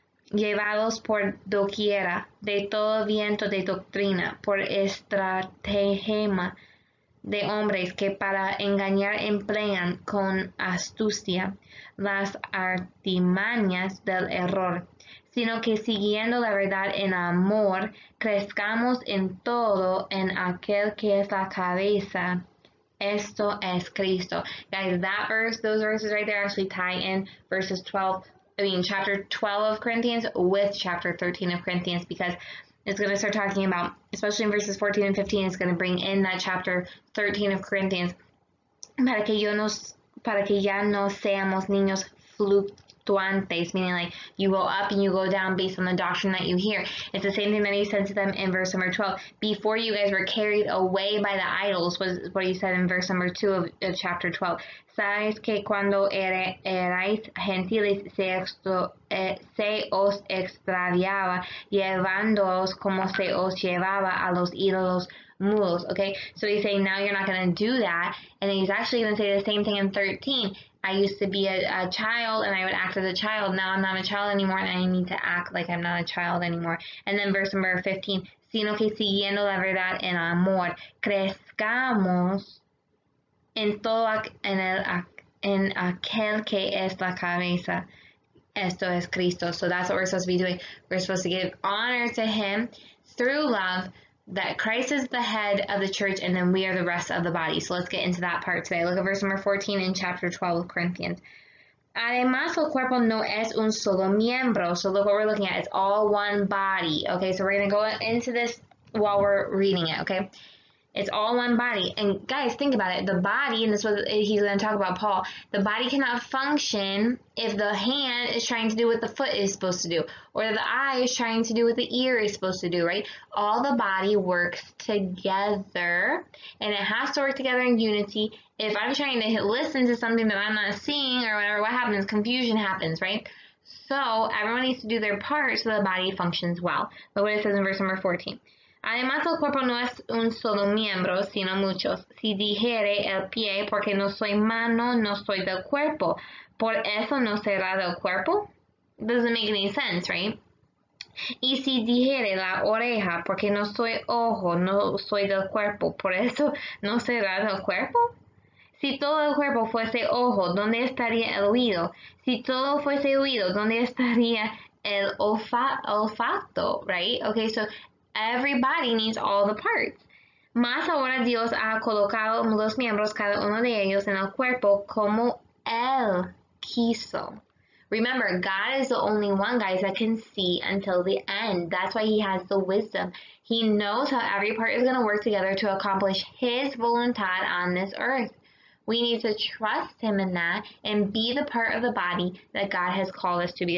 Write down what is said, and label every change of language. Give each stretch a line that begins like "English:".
Spanish: llevados por doquiera de todo viento de doctrina, por estratagema de hombres que para engañar emplean con astucia las artimañas del error, sino que siguiendo la verdad en amor, crezcamos en todo en aquel que es la cabeza, esto es Cristo.
English: Guys, that verse, those verses right there actually tie in verses 12, I mean chapter 12 of Corinthians with chapter 13 of Corinthians, because it's going to start talking about, especially in verses 14 and 15, it's going to bring in that chapter 13 of Corinthians.
Spanish: Para que ya no seamos niños
English: fluctuantes, meaning like you go up and you go down based on the doctrine that you hear. It's the same thing that he said to them in verse number 12. Before you guys were carried away by the idols, was what he said in verse number 2 of chapter 12.
Spanish: Sabéis que cuando erais gentiles se os extraviaba, llevándoos como se os llevaba a los ídolos.
English: Mules, okay? So he's saying now you're not going to do that. And he's actually going to say the same thing in 13. I used to be a child and I would act as a child. Now I'm not a child anymore and I need to act like I'm not a child anymore. And then verse number 15,
Spanish: sino que siguiendo la verdad en amor, crezcamos en todo en aquel que es la cabeza. Esto es Cristo.
English: So that's what we're supposed to be doing. We're supposed to give honor to him through love. That Christ is the head of the church, and then we are the rest of the body. So let's get into that part today. Look at verse number 14 in chapter 12 of Corinthians.
Spanish: Además, el cuerpo no es un solo miembro.
English: So look what we're looking at. It's all one body. Okay, so we're going to go into this while we're reading it, okay? It's all one body. And guys, think about it. The body, and this is what he's going to talk about, Paul. The body cannot function if the hand is trying to do what the foot is supposed to do. Or the eye is trying to do what the ear is supposed to do, right? All the body works together. And it has to work together in unity. If I'm trying to listen to something that I'm not seeing or whatever, what happens? Confusion happens, right? So everyone needs to do their part so the body functions well. Look what it says in verse number 14.
Spanish: Además, el cuerpo no es un solo miembro, sino muchos. Si dijere el pie, porque no soy mano, no soy del cuerpo. ¿Por eso no será del cuerpo?
English: Doesn't make any sense, right?
Spanish: Y si dijere la oreja, porque no soy ojo, no soy del cuerpo. ¿Por eso no será del cuerpo? Si todo el cuerpo fuese ojo, ¿dónde estaría el oído? Si todo fuese oído, ¿dónde estaría el olfato? Right?
English: Okay, so everybody needs all the parts.
Spanish: Mas ahora Dios ha colocado los miembros, cada uno de ellos, en el cuerpo como Él quiso.
English: Remember, God is the only one, guys, that can see until the end. That's why he has the wisdom. He knows how every part is going to work together to accomplish his voluntad on this earth. We need to trust him in that and be the part of the body that God has called us to be.